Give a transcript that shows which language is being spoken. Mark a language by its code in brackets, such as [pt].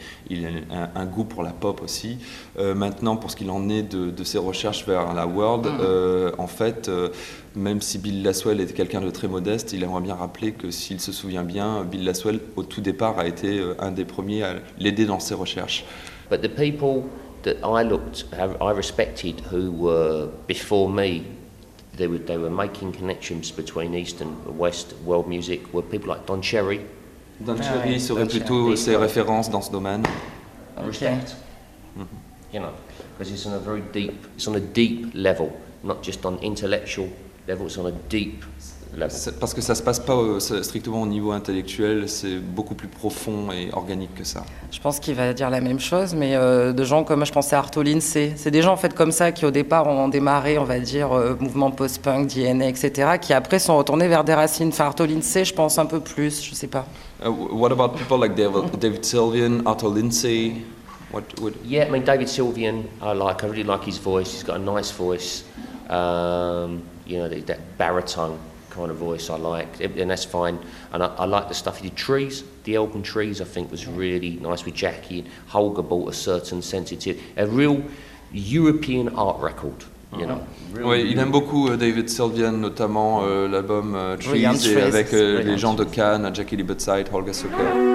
[fr] Il a un goût pour la pop aussi. Maintenant, pour ce qu'il en est de ses recherches vers la world, en fait, même si Bill Laswell est quelqu'un de très modeste, il aimerait bien rappeler que, s'il se souvient bien, Bill Laswell, au tout départ, a été un des premiers à l'aider dans ses recherches. [en] But the people that I respected, who were before me, they were making connections between East and West world music, were people like Don Cherry. [fr] Don Cherry serait plutôt ses références dans ce domaine. [en] Respect. You know, because it's on a very deep, it's on a deep level, not just on intellectual level, it's on a deep level. [fr] Parce que ça se passe pas strictement au niveau intellectuel, c'est beaucoup plus profond et organique que ça. Je pense qu'il va dire la même chose, mais de gens comme, je pensais à Arto Lindsay, c'est des gens en fait comme ça qui au départ ont démarré, on va dire, mouvement post-punk, DNA, etc., qui après sont retournés vers des racines. Enfin, Arto Lindsay, je pense un peu plus, je sais pas. [en] What about people like David Sylvian, Arto Lindsay? Yeah, I mean, David Sylvian, I really like his voice. He's got a nice voice, you know, that baritone kind of voice I like, and that's fine. And I like the stuff he did. Trees, the album Trees, I think was really nice, with Jackie. And Holger bought a certain sensitive, a real European art record. [fr] Oui, il aime beaucoup David Sylvian, notamment l'album Trees, et avec les gens de Cannes, Jackie Lee Butside, Holger Socker.